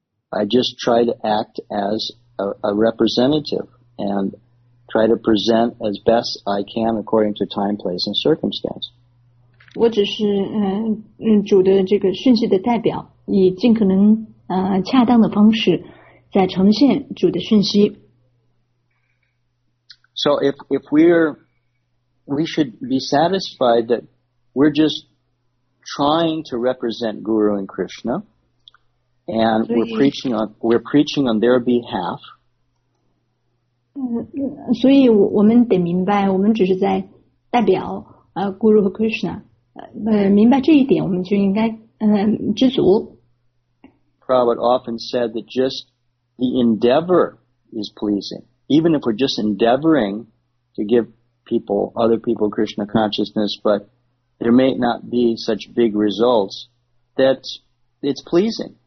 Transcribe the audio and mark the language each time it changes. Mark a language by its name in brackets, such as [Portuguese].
[English] I just try to act as a representative and try to present as best I can according to time, place, and circumstance. [Chinese] 我只是主的这个讯息的代表，以尽可能恰当的方式在呈现主的讯息。 [English] So if we should be satisfied that we're just trying to represent Guru and Krishna, and we're preaching on their behalf. [Chinese] 所以我们得明白，我们只是在代表Guru 和 Krishna。明白这一点，我们就应该知足。 [English] Prabhupada often said that just the endeavor is pleasing. Even if we're just endeavoring to give other people Krishna consciousness, but there may not be such big results, that it's pleasing.